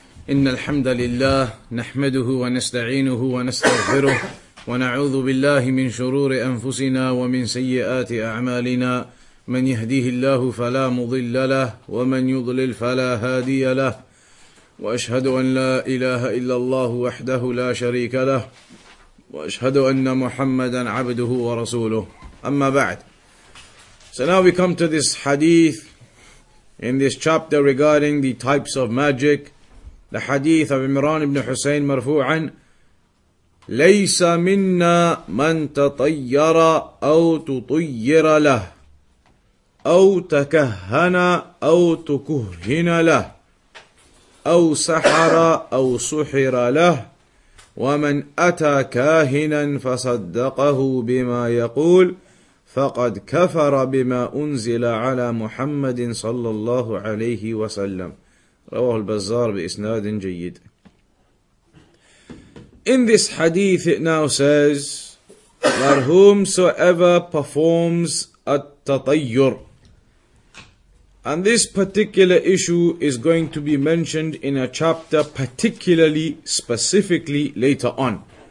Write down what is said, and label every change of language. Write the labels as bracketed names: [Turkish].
[Arabic] إن الحمد لله نحمده ونستعينه ونستغفره ونعوذ بالله من شرور أنفسنا ومن سيئات أعمالنا من يهديه الله فلا مضل له ومن يضلل فلا هادي له وأشهد أن لا إله إلا الله وحده لا شريك له وأشهد أن محمدا عبده ورسوله أما بعد. [English] So now we come to this hadith in this chapter regarding the types of magic. The hadith of Imran ibn Husayn marfu'an, [Arabic] لَيْسَ مِنَّا مَنْ تَطَيَّرَ أَوْ تُطَيِّرَ لَهُ أَوْ تَكَهَّنَ أَوْ تُكُهِّنَ لَهُ أَوْ سَحَرَ أَوْ سُحِرَ لَهُ وَمَنْ أَتَى كَاهِنًا فَصَدَّقَهُ بِمَا يَقُولُ فَقَدْ كَفَرَ بِمَا أُنْزِلَ عَلَى مُحَمَّدٍ صَلَّى اللَّهُ عَلَيْهِ وَسَلَّمُ. رواه البزار بإسناد جيد. [English] In this hadith it now says that whomsoever performs at-tatayyur, and this particular issue is going to be mentioned in a chapter particularly, specifically later on.